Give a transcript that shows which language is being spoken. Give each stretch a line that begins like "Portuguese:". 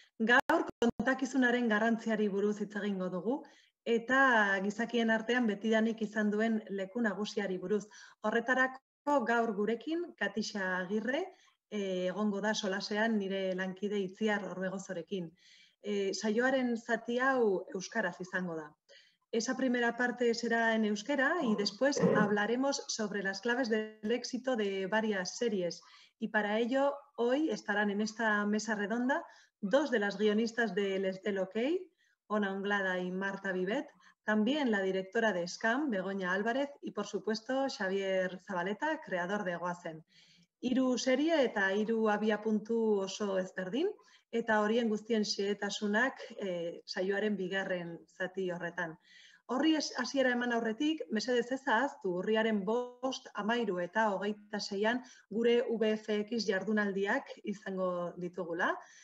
Basque: Gaur kontakizunaren garrantziari buruz hitz egingo dugu eta gizakien artean betidanik izan duen leku nagusiari buruz. Horretarako gaur gurekin Katixa Agirre egongo da solasean nire lankide Itziar Orbegozorekin. Saioaren zati hau euskaraz izango da.
Spanish: Esa primera parte será en euskera y después hablaremos sobre las claves del éxito de varias series. Y para ello, hoy estarán en esta mesa redonda dos de las guionistas de Les del OK, Ona Onglada y Marta Vivet, también la directora de SCAM, Begoña Álvarez, y por supuesto, Xavier Zabaleta, creador de Goazen.
Basque: Iru serie eta iru abiapuntu oso ezberdin, eta horien guztien xehetasunak saioaren bigarren zati horretan. Horri hasiera eman aurretik, mesedez ezaztu urriaren 5, 13 eta 26an gure VFX jardunaldiak izango ditugula.